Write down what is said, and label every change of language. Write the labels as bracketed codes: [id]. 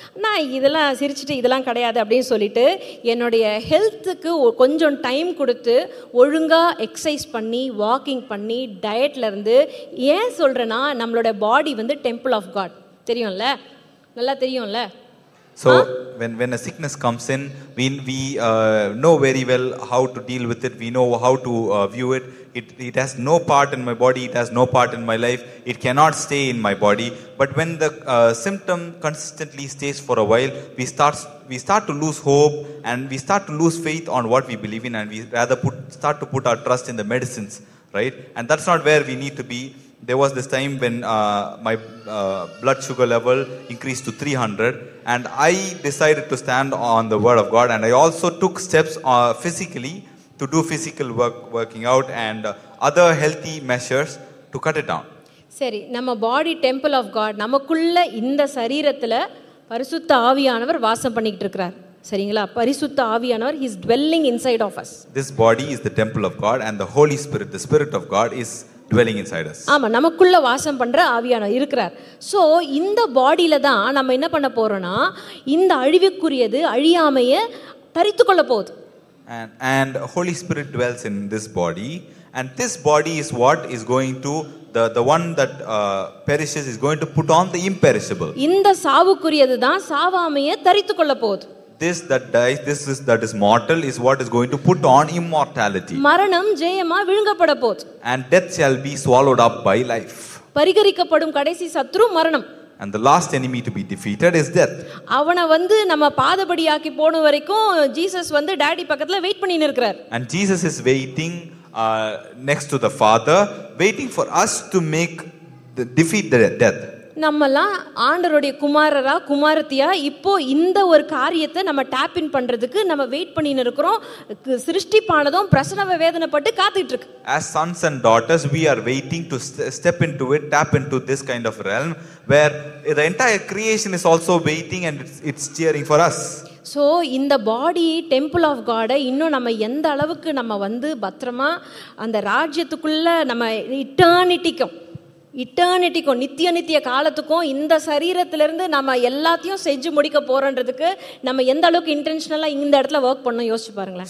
[ta] நான் இதெல்லாம் சிரிச்சுட்டு இதெல்லாம் கிடையாது அப்படின்னு சொல்லிட்டு என்னுடைய ஹெல்த்துக்கு கொஞ்சம் டைம் கொடுத்து ஒழுங்காக எக்ஸசைஸ் பண்ணி வாக்கிங் பண்ணி டயட்லேருந்து, ஏன் சொல்கிறேன்னா நம்மளோட பாடி வந்து டெம்பிள் ஆஃப் காட் தெரியும்ல, நல்லா தெரியும்ல. [en] So when a sickness comes in, we know very well how to deal with it, we know how to view it. It has no part in my body, it has no part in my life, it cannot stay in my body. But when the symptom consistently stays for a while, we start to lose hope and we start to lose faith on what we believe in, and we rather start to put our trust in the medicines, right? And that's not where we need to be. There was this time when my blood sugar level increased to 300, and I decided to stand on the word of God, and I also took steps physically to do physical work, working out and other healthy measures to cut it down. [ta] சரி, நம்ம பாடி temple of God, நமக்குள்ள இந்த சரீரத்துல பரிசுத்த ஆவியானவர் வாசம் பண்ணிட்டு இருக்கார் சரிங்களா. பரிசுத்த ஆவியானவர், [en] he is dwelling inside of us. This body is the temple of God and the Holy Spirit, the Spirit of God is dwelling inside us. [ta] ஆமா, நமக்குள்ள வாசம் பண்ற ஆவியானவர் இருக்கிறார். சோ இந்த பாடியில தான் நம்ம என்ன பண்ண போறோம்னா, இந்த அழிவுக்குரியது அழியாமைய தரித்து கொள்ள போகுது. [en] And Holy Spirit dwells in this body, and this body is what is going to the one that perishes is going to put on the imperishable. [ta] இந்த சாவுக்குரியது தான் சாவாமைய தரித்து கொள்ள போகுது. [en] This that dies, this is mortal is what is going to put on immortality. [ta] மரணம் ஜெயமா விழுங்கப்பட போகுது. [en] And death shall be swallowed up by life. [ta] பரிகரிக்கப்படும் கடைசி சத்ரு மரணம். [en] And the last enemy to be defeated is death. [ta] அவன வந்து நம்ம பாதபடியாக்கி போன வரைக்கும் ஜீசஸ் வந்து டாடி பக்கத்துல வெயிட் பண்ணி இருக்கார். [en] And Jesus is waiting next to the Father, waiting for us to defeat death. [ta] நம்மலாம் ஆண்டருடைய குமாரரா குமாரத்தியா இப்போ இந்த ஒரு காரியத்தை நம்ம டாப் இன் பண்றதுக்கு நம்ம வெயிட் பண்ணி இருக்கிறோம். சிருஷ்டிப்பானதும் பிரசனவ வேதனைப்பட்டு காத்துட்டு இருக்கு. [en] As sons and daughters, we are waiting to step into it, tap into this kind of realm where the entire creation is also waiting and it's cheering for us. [ta] So இந்த பாடி temple of காடை இன்னும் நம்ம எந்த அளவுக்கு நம்ம வந்து பத்திரமா அந்த ராஜ்யத்துக்குள்ள நம்ம இட்டர்னிட்டிக்கும் நித்திய நித்திய காலத்துக்கும் இந்த சரீரத்திலிருந்து நம்ம எல்லாத்தையும் செஞ்சு முடிக்க போறன்றதுக்கு நம்ம எந்த அளவுக்கு இன்டென்ஷனலா இந்த இடத்துல ஒர்க் பண்ணணும் யோசிச்சு பாருங்களேன்.